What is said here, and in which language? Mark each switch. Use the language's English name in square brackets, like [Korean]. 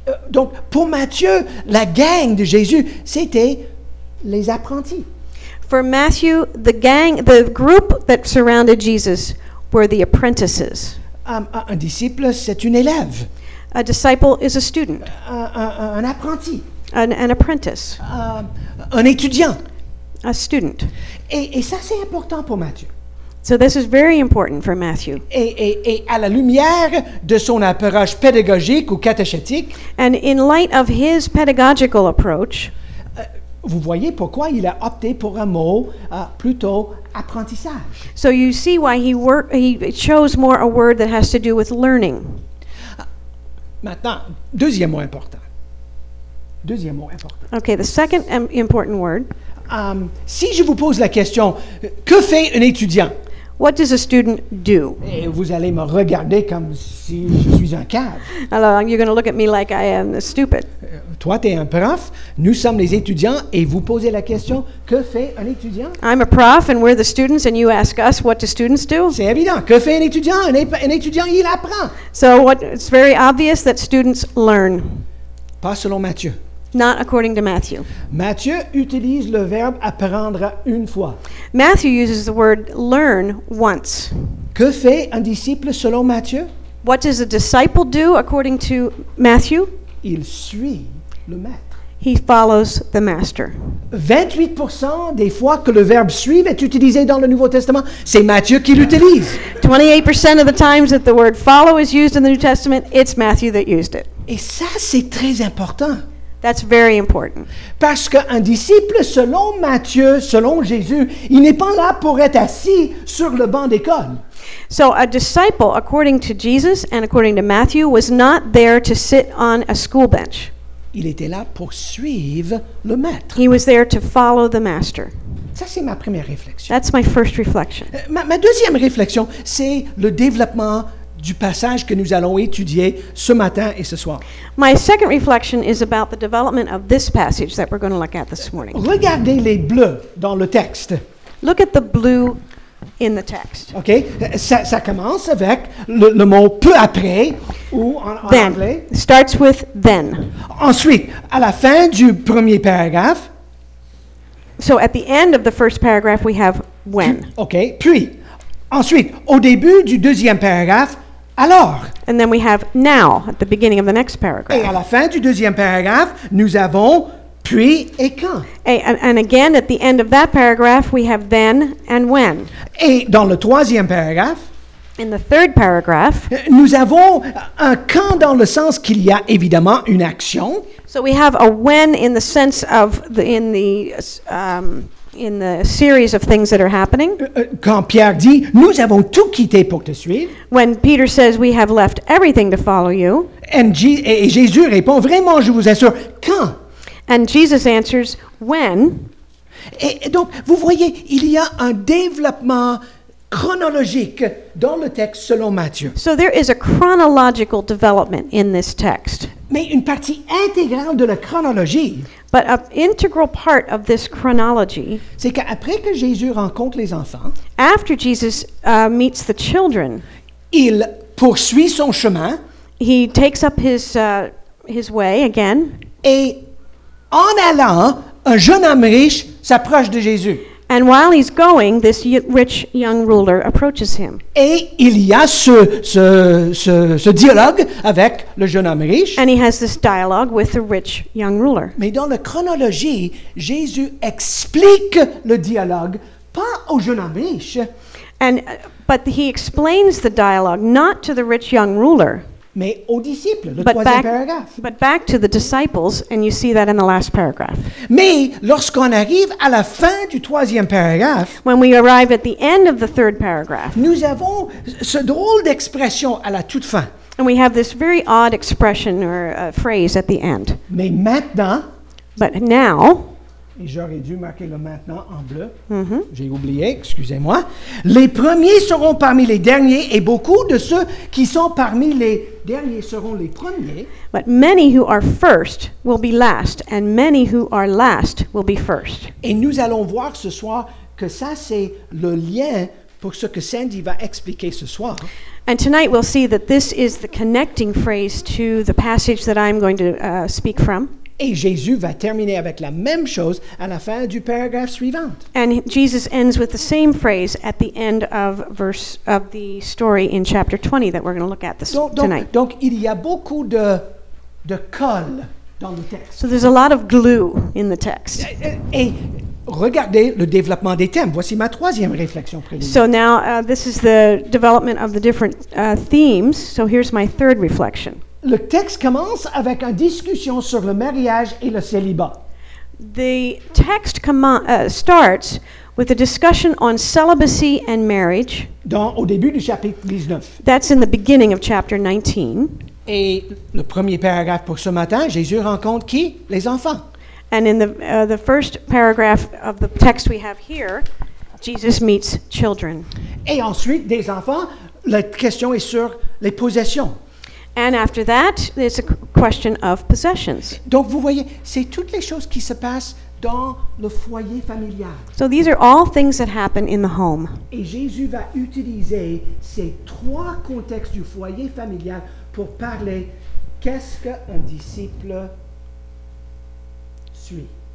[French] donc pour Matthieu, la gang de Jésus, c'était les apprentis. [English] For Matthew, the gang, the group that surrounded Jesus were the apprentices. [French] Un disciple, c'est une élève. [English] A disciple is a student. [French] Un apprenti. [English] An apprentice. [French] Un étudiant. [English] A student. [French] Et ça c'est important pour Matthieu. [English] So this is very important for Matthew. [French] Et à la lumière de son approche pédagogique ou catéchétique. [English] And in light of his pedagogical approach. [French] Vous voyez pourquoi il a opté pour un mot plutôt apprentissage. [English] So you see why he chose more a word that has to do with learning. [French] Maintenant, deuxième mot important. Deuxième mot important. [English] Okay, the second important word. [French] Si je vous pose la question, que fait un étudiant? [English] What does a student do? [French] Et vous allez me regarder comme si je suis un cave. [English] Alors, you're going to look at me like I am stupid. [French] Toi, tu es un prof, nous sommes les étudiants, et vous posez la question, que fait un étudiant? [English] I'm a prof, and we're the students, and you ask us, what do students do? [French] C'est évident, que fait un étudiant? Un étudiant, il apprend. [English] So, it's very obvious that students learn. [French] Pas selon Matthieu. [English] Not according to Matthew. [French] Matthieu utilise le verbe apprendre une fois. [English] Matthew uses the word learn once. [French] Que fait un disciple selon Matthieu? [English] What does a disciple do according to Matthew? [French] Il suit le maître. [English] He follows the master. [French] 28% des fois que le verbe suivre est utilisé dans le Nouveau Testament, c'est Matthieu qui l'utilise. [English] 28% of the times that the word follow is used in the New Testament, it's Matthew that used it. [French] Et ça, c'est très important. [English] That's very important. [French] Parce qu'un disciple, selon Matthieu, selon Jésus, il n'est pas là pour être assis sur le banc d'école. [English] So a disciple, according to Jesus and according to Matthew, was not there to sit on a school bench. [French] Il était là pour suivre le maître. [English] He was there to follow the master. [French] Ça, c'est ma première réflexion. [English] That's my first reflection. [French] Ma deuxième réflexion, c'est le développement du passage que nous allons étudier ce matin et ce soir. [English] My second reflection is about the development of this passage that we're going to look at this morning. [French] Regardez les bleus dans le texte. [English] Look at the blue in the text. [French] Okay, ça commence avec le mot peu après ou en anglais. [English] Then starts with then. [French] Ensuite, à la fin du premier paragraphe. [English] So at the end of the first paragraph, we have when. [French] Okay, puis. Ensuite, au début du deuxième paragraphe, alors. [English] And then we have now at the beginning of the next paragraph. [French] Et à la fin du deuxième paragraphe, nous avons puis et quand. [English] And again, at the end of that paragraph, we have then and when. [French] Et dans le troisième paragraphe, [English] in the third paragraph, [French] nous avons un quand dans le sens qu'il y a évidemment une action. [English] So we have a when in the sense of the, in the in the series of things that are happening. [French] Quand Pierre dit, nous avons tout quitté pour te suivre. [English] When Peter says, we have left everything to follow you. [French] Et Jésus répond, vraiment, je vous assure, quand? [English] And Jesus answers, when? [French] Et donc, vous voyez, il y a un développement chronologique dans le texte selon Matthieu. [English] So there is a chronological development in this text. [French] Mais une partie intégrale de la chronologie. [English] But an integral part of this chronology. [French] C'est qu'après que Jésus rencontre les enfants. [English] After Jesus meets the children. [French] Il poursuit son chemin. [English] He takes up his way again. [French] Et en allant, un jeune homme riche s'approche de Jésus. [English] And while he's going, this rich young ruler approaches him. [French] Et il y a ce dialogue avec le jeune homme riche. [English] And he has this dialogue with the rich young ruler. [French] Mais dans la chronologie, Jésus explique le dialogue pas au jeune homme riche. [English] But he explains the dialogue not to the rich young ruler. [French] Mais aux disciples, le troisième paragraphe. [English] But back to the disciples, and you see that in the last paragraph. [French] Mais lorsqu'on arrive à la fin du troisième paragraphe, [English] when we arrive at the end of the third paragraph, [French] nous avons ce drôle d'expression à la toute fin. [English] And we have this very odd expression or phrase at the end. [French] Mais maintenant, [English] but now, [French] et j'aurais dû marquer le maintenant en bleu, j'ai oublié, excusez-moi, les premiers seront parmi les derniers, et beaucoup de ceux qui sont parmi les derniers seront les premiers. [English] But many who are first will be last, and many who are last will be first. [French] Et nous allons voir ce soir que ça c'est le lien pour ce que Sandy va expliquer ce soir. [English] And tonight we'll see that this is the connecting phrase to the passage that I'm going to speak from. [French] Et Jésus va terminer avec la même chose à la fin du paragraphe suivant. [English] And Jesus ends with the same phrase at the end of verse of the story in chapter 20 that we're going to look at this tonight. [French] Donc il y a beaucoup de colle dans le texte. [English] So there's a lot of glue in the text. [French] Et regardez le développement des thèmes. Voici ma troisième réflexion préliminaire. [English] So now this is the development of the different themes. So here's my third reflection. [French] Le texte commence avec une discussion sur le mariage et le célibat. [English] The text starts with a discussion on celibacy and marriage. [French] Au début du chapitre 19. [English] That's in the beginning of chapter 19. [French] Et le premier paragraphe pour ce matin, Jésus rencontre qui? Les enfants. [English] And in the first paragraph of the text we have here, Jesus meets children. [French] Et ensuite, des enfants, la question est sur les possessions. [English] And after that, it's a question of possessions. [French] Donc vous voyez, c'est toutes les choses qui se passent dans le foyer familial. [English] So these are all things that happen in the home. [French] Et Jésus va utiliser ces trois contextes du foyer familial pour parler qu'est-ce qu'un disciple suit.